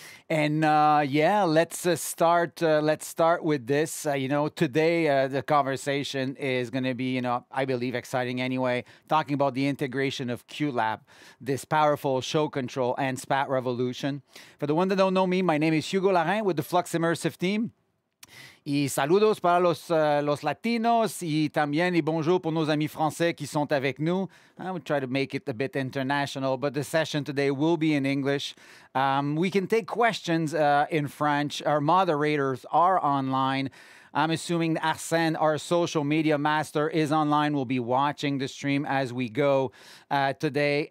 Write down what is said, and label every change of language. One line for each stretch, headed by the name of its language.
English: And yeah, let's start with this. Today, the conversation is going to be, you know, I believe exciting anyway, talking about the integration of QLab, this powerful show control and SPAT revolution. For the one that don't know me, my name is Hugo Larin with the Flux Immersive team.
Spanish: Y saludos para los latinos y también y
French: bonjour pour nos amis français qui sont avec nous.
English: I would try to make it a bit international, but the session today will be in English. We can take questions in French. Our moderators are online. I'm assuming Arsène, our social media master, is online. We'll be watching the stream as we go today.